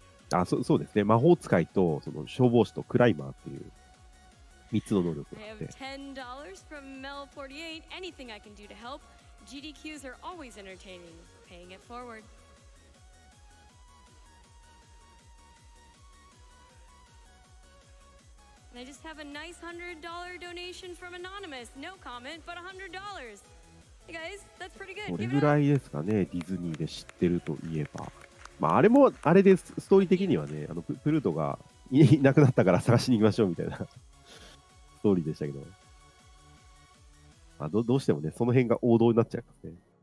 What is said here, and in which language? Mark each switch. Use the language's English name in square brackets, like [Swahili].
[Japanese] あ、そうですね。魔法使いとその消防士とクライマーっていう3つの能力があって。 [English] $10 from Mel 48. Anything I can do to help. GDQs are always entertaining. Paying it forward. I just have a nice $100 donation from Anonymous. No comment, but $100. Hey guys, that's pretty good. [Japanese] これぐらいですかね。ディズニーで知ってるといえば。まあ、あれもあれでストーリー的にはね、あのプルートがいなくなったから探しに行きましょうみたいなストーリーでしたけど、まあ、どうしてもね、その辺が王道になっちゃうからね。